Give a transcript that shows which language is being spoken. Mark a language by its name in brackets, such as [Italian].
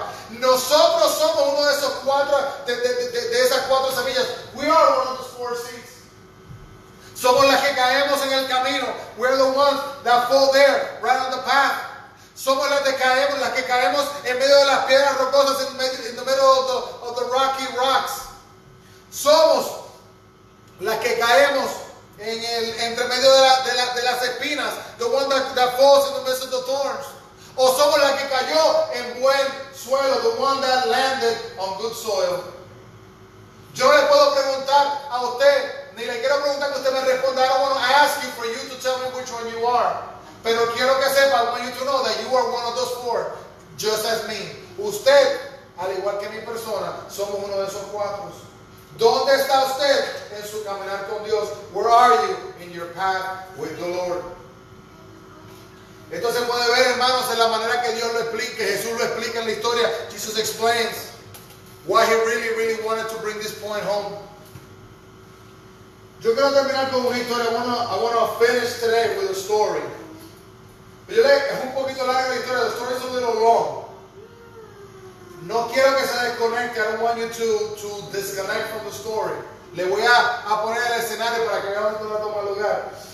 [Spanish] Nosotros somos uno de esos cuatro, de esas cuatro semillas. [English] We are one of those four seeds. [Spanish] Somos las que caemos en el camino. [English] We are the ones that fall there, right on the path. [Spanish] Somos las que caemos en medio de las piedras rocosas, en medio [English] of the rocky rocks. [Spanish] Somos las que caemos en el entre medio de las espinas, [English] the one that falls in the midst of the thorns. [Spanish] O somos las que cayó en buen suelo, [English] the one that landed on good soil. [Spanish] Yo le puedo preguntar a usted, ni le quiero preguntar que usted me responda. [English] I ask you for you to tell me which one you are. [Spanish] Pero quiero que sepa, [English] I want you to know that you are one of those four, just as me. [Spanish] Usted, al igual que mi persona, somos uno de esos cuatro. ¿Dónde está usted en su caminar con Dios? [English] Where are you in your path with the Lord? [Spanish] Esto se puede ver, hermanos, en la manera que Dios lo explica, que Jesús lo explica en la historia. [English] Jesus explains why he really, really wanted to bring this point home. [Spanish] Yo quiero terminar con una historia. [English] I want to finish today with a story. [Spanish] Es un poquito larga la historia. [English] The story is a little long. [Spanish] No quiero que se desconecte. [English] I don't want you to disconnect from the story. [Spanish] Le voy a poner el escenario para que vean dónde toma lugar.